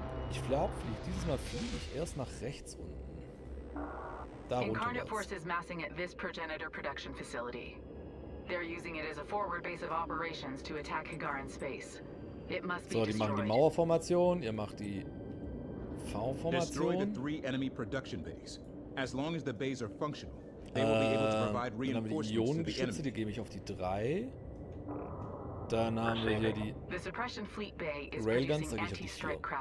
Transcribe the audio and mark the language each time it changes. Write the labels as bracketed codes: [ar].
[de] Ich glaube, fliege ich erst nach rechts unten. Da runter. [en] Incarnate Force is massing at this Progenitor production facility. They're using it as a forward base of operations to attack Hagaran space. It must be destroyed. [de] So, die machen die Mauerformation, ihr macht die V-Formation. [en] Destroy the 3 enemy production base. As long as the bays are functional. They will be able to provide reinforcements to the enemy. [de] Die gebe ich auf die 3. Dann haben wir hier die Railguns, sage ich auf die 4.